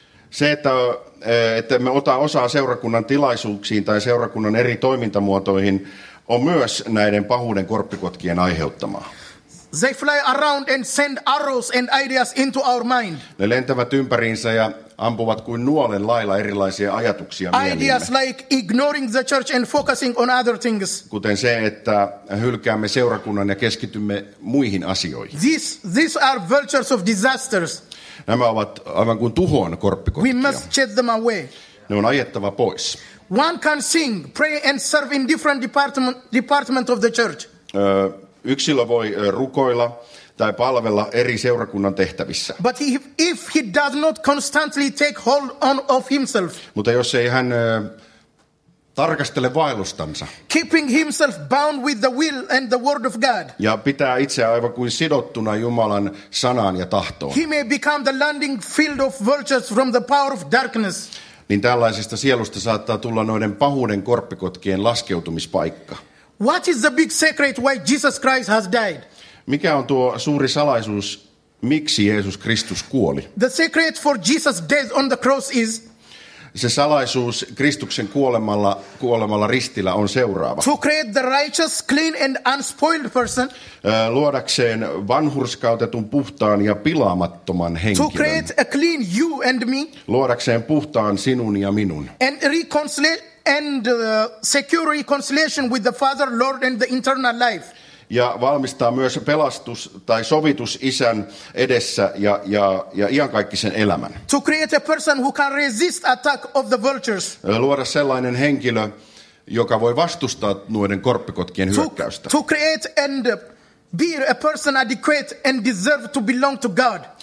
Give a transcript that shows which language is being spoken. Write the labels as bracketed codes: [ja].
[fi] Se, että me otamme osaa seurakunnan tilaisuuksiin tai seurakunnan eri toimintamuotoihin, on myös näiden pahuuden korppikotkien aiheuttamaa. [en] They fly around and send arrows and ideas into our mind. [fi] Ne lentävät ympäriinsä ja ampuvat kuin nuolen lailla erilaisia ajatuksia mieleen. [en] Like ignoring the church and focusing on other things. [fi] Kuten se, että hylkäämme seurakunnan ja keskitymme muihin asioihin. [en] These are vultures of disasters. [fi] Nämä ovat aivan kuin tuhon korppikotkia. [en] We must chase them away. [fi] Ne on ajettava pois. [en] One can sing, pray and serve in different department of the church. [fi] Yksilö voi rukoilla tai palvella eri seurakunnan tehtävissä. [en] But if he does not constantly take hold on of himself. [fi] Mutta jos ei hän tarkastele vaellustansa. [en] Keeping himself bound with the will and the word of God. [fi] Ja pitää itseä aivan kuin sidottuna Jumalan sanaan ja tahtoon. [en] He may become the landing field of vultures from the power of darkness. [fi] Niin tällaisesta sielusta saattaa tulla noiden pahuuden korppikotkien laskeutumispaikka. [en] What is the big secret why Jesus Christ has died? [fi] Mikä on tuo suuri salaisuus, miksi Jeesus Kristus kuoli? [en] The secret for Jesus' death on the cross is. [fi] Se salaisuus Kristuksen kuolemalla ristillä on seuraava. [en] To create the righteous, clean and unspoiled person. [fi] Luodakseen vanhurskautetun, puhtaan ja pilaamattoman henkilön. [en] To create a clean you and me. [fi] Luodakseen puhtaan sinun ja minun. [en] And secure reconciliation with the Father, Lord and the eternal life. [fi] Ja valmistaa myös pelastus tai sovitus isän edessä ja iankaikkisen elämän. [en] To create a person who can resist attack of the vultures. [fi] Luoda sellainen henkilö, joka voi vastustaa noiden korppikotkien hyökkäystä. [en] To create and be a person adequate and deserve to belong to God.